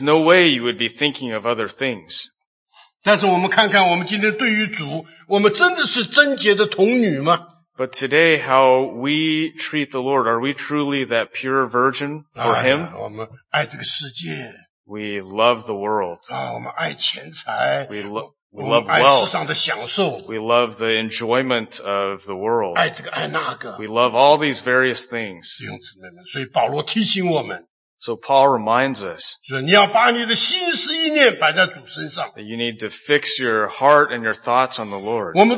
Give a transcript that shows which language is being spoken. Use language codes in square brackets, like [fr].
[en] no way you would be thinking of other things. [zh] 但是我们看看，我们今天对于主，我们真的是贞洁的童女吗？ [en] But today, how we treat the Lord, are we truly that pure virgin for him? [zh] 啊, 我们爱这个世界, [en] we love the world. [zh] 啊, 我们爱钱财, [en] we love wealth. We love the enjoyment of the world. [zh] 爱这个爱那个, [en] we love all these various things. [zh] 弟兄姊妹们, 所以保罗提醒我们, [en] so Paul reminds us that you need to fix your heart and your thoughts on the Lord.